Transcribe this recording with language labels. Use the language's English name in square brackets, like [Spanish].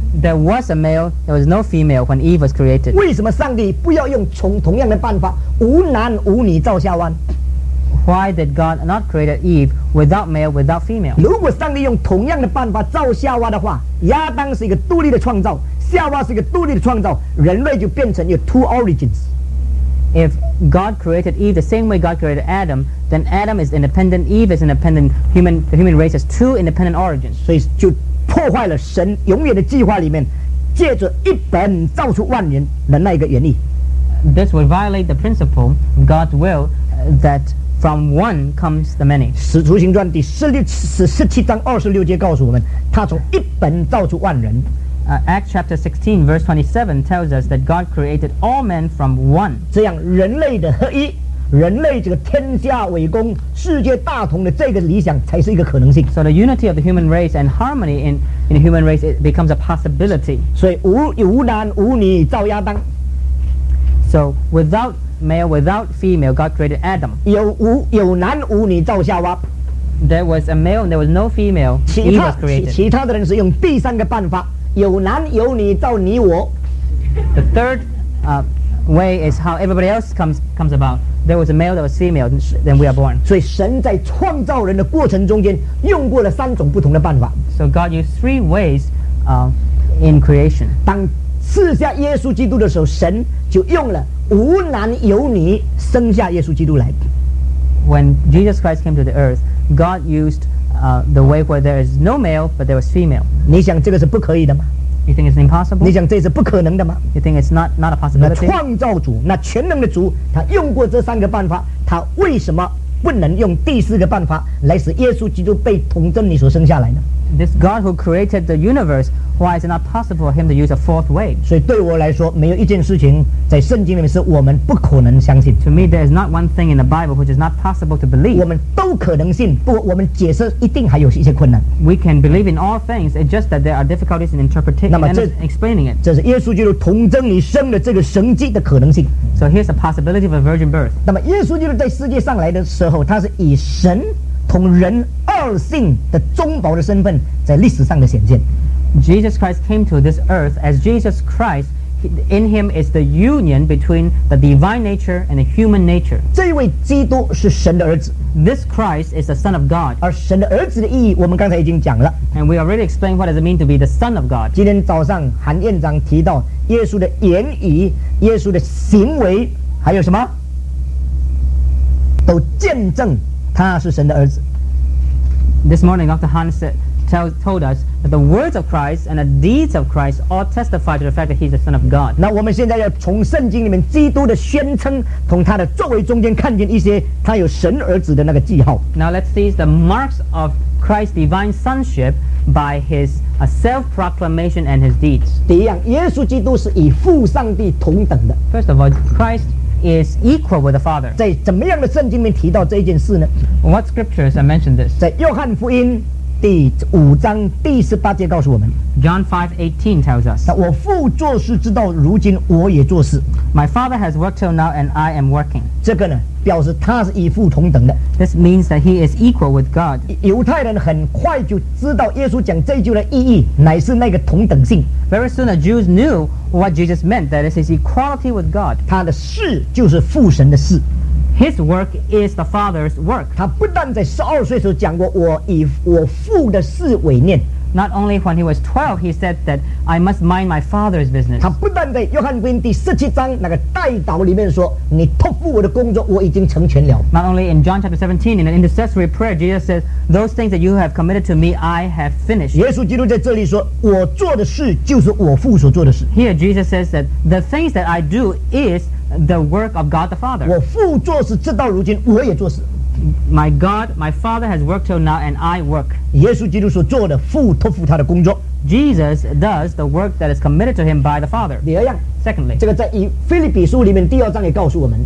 [English] There was a male, there was no female when Eve was created. [Chinese] 为什么上帝不要用同样的办法无男无女造夏娃？ [English] Why did God not create Eve without male, without female? [Chinese] 如果上帝用同样的办法造夏娃的话，亚当是一个独立的创造，夏娃是一个独立的创造，人类就变成有 [English] two origins. If God created Eve the same way God created Adam, then Adam is independent, Eve is independent, the human race has two independent origins. [Chinese] 所以就破坏了神永远的计划里面，借着一本造出万人的那一个原意。 [English] This would violate the principle of God's will that from one comes the many. [Chinese] 使徒行传第17:26告诉我们，他从一本造出万人。 [English] Acts chapter 16 verse 27 tells us that God created all men from one. [Chinese] 这样人类的合一，人类这个天下为公，世界大同的这个理想才是一个可能性。 [English] So the unity of the human race and harmony in the human race, it becomes a possibility. [Chinese] 所以无男无女造亚当。 [English] So without male, without female, God created Adam. [Chinese] 有男无女造夏娃。 [English] There was a male and there was no female. Eve was created. [Chinese] 其他的人是用第三个办法。有男有女造你我。 [English] The third way is how everybody else comes about. There was a male, there was female, then we are born. [Chinese] 所以神在创造人的过程中间用过了三种不同的办法。 [English] So God used three ways in creation. [Chinese] 当赐下耶稣基督的时候，神就用了无男有女生下耶稣基督来。 [English] When Jesus Christ came to the earth, God usedthe way where there is no male but there was female. [Chinese] 你想这个是不可以的吗？ [English] You think it's impossible? [Chinese] 你想这是不可能的吗？ [English] You think it's not a possibility? [Chinese] 那创造主，那全能的主，他用过这三个办法，他为什么不能用第四个办法来使耶稣基督被童贞女所生下来呢？ [English] this God who created the universe, why is it not possible for him to use a fourth way? [Chinese] 所以对我来说，没有一件事情在圣经里面是我们不可能相信。 [English] To me, there is not one thing in the Bible which is not possible to believe. [Chinese] 我们都可能信，不过我们解释一定还有一些困难。 [English] We can believe in all things, it's just that there are difficulties in interpreting and explaining it. [Chinese] 这是耶稣基督童贞里生的这个神迹的可能性。 [English] So here's the possibility of a virgin birth. [Chinese] 那么耶稣基督在世界上来的时候，他是以神同人二性的中保的身份在历史上的显现。 [English] Jesus Christ came to this earth as Jesus Christ. In him is the union between the divine nature and the human nature. [Chinese] 这位基督是神的儿子。 [English] This Christ is the Son of God. [Chinese] 而神的儿子的意义我们刚才已经讲了。 [English] And we already explained what does it mean to be the Son of God. [Chinese] 今天早上韩院长提到耶稣的言语、耶稣的行为还有什么，都见证他是神的儿子。 [English] This morning, Dr. Han told us that the words of Christ and the deeds of Christ all testify to the fact that he is the Son of God. [Chinese] 那我们现在要从圣经里面基督的宣称同他的作为中间看见一些他有神儿子的那个记号。 [English] Now let's see the marks of Christ's divine sonship by his self-proclamation and his deeds. [Chinese] 第一样，耶稣基督是与父上帝同等的。 [English] First of all, Christ is equal with the Father. [Chinese] 在怎么样的圣经里面提到这一件事呢？ [English] What scriptures have mentioned this? [Chinese] 在约翰福音第五章第十八节告诉我们。 [English] John 5:18 tells us. [Chinese] 我父做事直到如今，我也做事。 [English] My Father has worked till now, and I am working. [Chinese] 这个呢，表示他是与父同等的。 [English] This means that he is equal with God. [Chinese] 犹太人很快就知道耶稣讲这句的意义，乃是那个同等性。 [English] Very soon the Jews knew what Jesus meant, that is his equality with God. [Chinese] 他的事就是父神的事。 [English] His work is the Father's work. [Chinese] 他不但在十二岁时讲过我以我父的事为念。 [English] Not only when he was 12, he said that I must mind my father's business. [Chinese] 他不但在约翰福音第十七章那个代祷里面说，你托付我的工作，我已经成全了。 [English] Not only in John chapter 17, in an intercessory prayer, Jesus says, those things that you have committed to me, I have finished. [Chinese] 耶稣基督在这里说，我做的事就是我父所做的事。 [English] Here Jesus says that the things that I do is the work of God the Father. [Chinese] 我父做事直到如今，我也做事。 [English] My God, my Father has worked till now, and I work. [Chinese] 耶稣基督所做的，父托付他的工作。 [English] Jesus does the work that is committed to him by the Father. [Chinese] 第二样 [English] ，Secondly， [Chinese] 这个在以腓立比书里面第二章也告诉我们。